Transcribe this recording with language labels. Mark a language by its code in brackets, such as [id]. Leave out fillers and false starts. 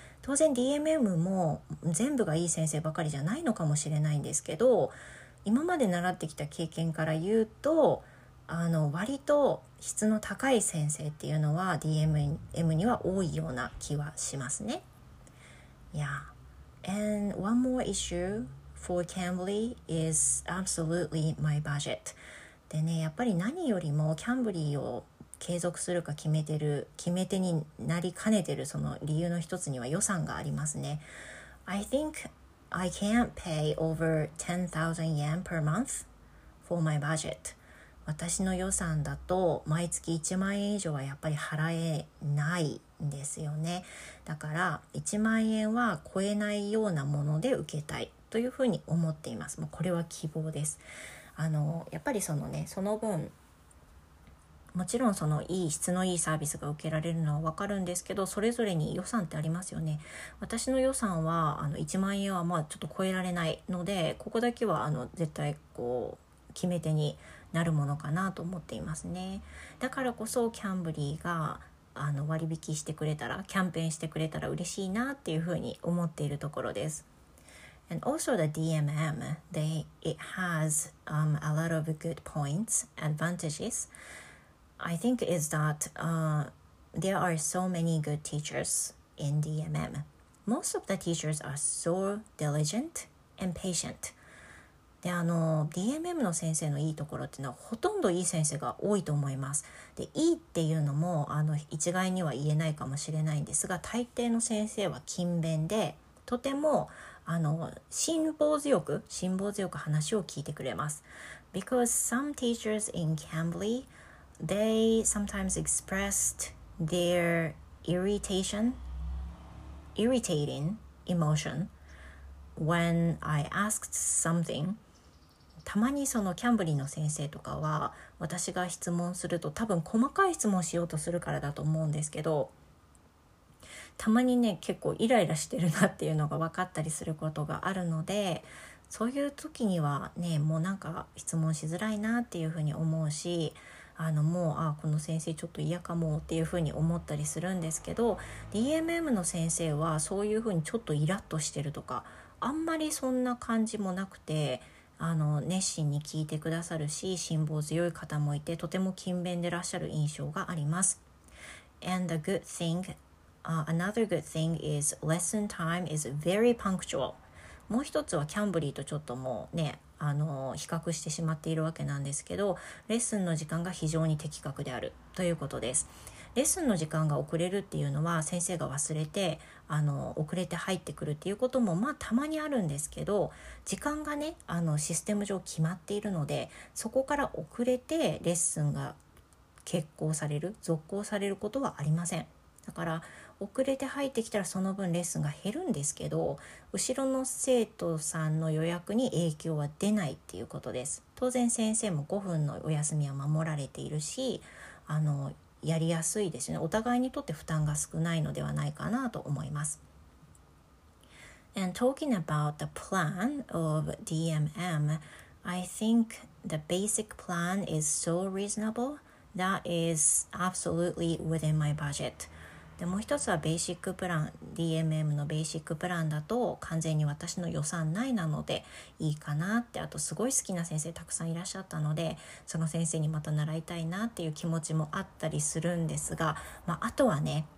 [ja] 当然 DMM も全部がいい先生ばかりじゃないのかもしれないんですけど、今まで習ってきた経験から言うと、割と質の高い先生っていうのは DMM には多いような気はしますね。 [en] Yeah. And one more issue for Cambly is absolutely my budget. [ja] でね、やっぱり何よりもキャンブリーを継続するか決め手になりかねてるその理由の一つには予算がありますね。 [en] I think I can't pay over 10,000 yen per month for my budget. [ja] 私の予算だと毎月1万円以上はやっぱり払えないんですよね。だから1万円は超えないようなもので受けたいというふうに思っています。もうこれは希望です。やっぱりそのね、その分もちろんそのいい質のいいサービスが受けられるのはわかるんですけど、それぞれに予算ってありますよね。私の予算は1万円はまあちょっと超えられないので、ここだけは絶対こう決め手になるものかなと思っていますね。だからこそキャンブリーが割引してくれたら、キャンペーンしてくれたら嬉しいなっていうふうに思っているところです。 [en] And also the DMM, it has a lot of good points, advantages. I think is that there are so many good teachers in DMM. Most of the teachers are so diligent and patient. [ja] で、DMM の先生のいいところっていうのはほとんどいい先生が多いと思います。で、いいっていうのも一概には言えないかもしれないんですが、大抵の先生は勤勉で、とても辛抱強く話を聞いてくれます。 [en] Because some teachers in Cambly, they sometimes expressed their irritating emotion when I asked something [ja] たまにそのキャンブリーの先生とかは、私が質問すると多分細かい質問しようとするからだと思うんですけど、たまにね結構イライラしてるなっていうのが分かったりすることがあるので、そういう時にはね、もうなんか質問しづらいなっていうふうに思うし、もうこの先生ちょっと嫌かもっていうふうに思ったりするんですけど、 DMM の先生はそういうふうにちょっとイラッとしてるとかあんまりそんな感じもなくて、熱心に聞いてくださるし、辛抱強い方もいて、とても勤勉でらっしゃる印象があります。 [en] And the good thing, another good thing is lesson time is very punctual. [ja] もう一つはキャンブリーとちょっともうね、比較してしまっているわけなんですけど、レッスンの時間が非常に的確であるということです。レッスンの時間が遅れるっていうのは、先生が忘れて遅れて入ってくるっていうこともまあたまにあるんですけど、時間がねシステム上決まっているので、そこから遅れてレッスンが決行される続行されることはありません。だから遅れて入ってきたらその分レッスンが減るんですけど、後ろの生徒さんの予約に影響は出ないっていうことです。当然先生も5分のお休みは守られているし、やりやすいですね。お互いにとって負担が少ないのではないかなと思います。 [en] And talking about the plan of DMM, I think the basic plan is so reasonable that is absolutely within my budget. [ja] でもう一つはベーシックプラン、DMM のベーシックプランだと完全に私の予算内なのでいいかなって、あとすごい好きな先生たくさんいらっしゃったのでその先生にまた習いたいなっていう気持ちもあったりするんですが、まあ、あとはね、